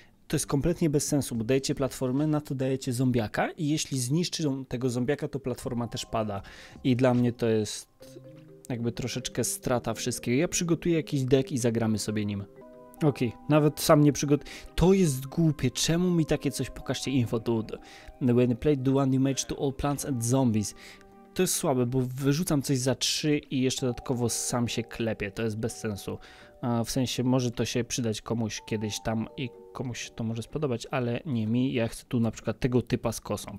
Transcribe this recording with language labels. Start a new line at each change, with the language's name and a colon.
Polish: To jest kompletnie bez sensu, bo dajecie platformę, na to dajecie zombiaka i jeśli zniszczy tego zombiaka, to platforma też pada. I dla mnie to jest... jakby troszeczkę strata wszystkiego. Ja przygotuję jakiś deck i zagramy sobie nim. Okej, okay. Nawet sam nie przygotuję. To jest głupie, czemu mi takie coś... Pokażcie info tu.
English: When played, do one damage to all plants and zombies.
Polish: To jest słabe, bo wyrzucam coś za 3 i jeszcze dodatkowo sam się klepię. To jest bez sensu. W sensie może to się przydać komuś kiedyś tam i komuś to może spodobać, ale nie mi. Ja chcę tu na przykład tego typa z kosą.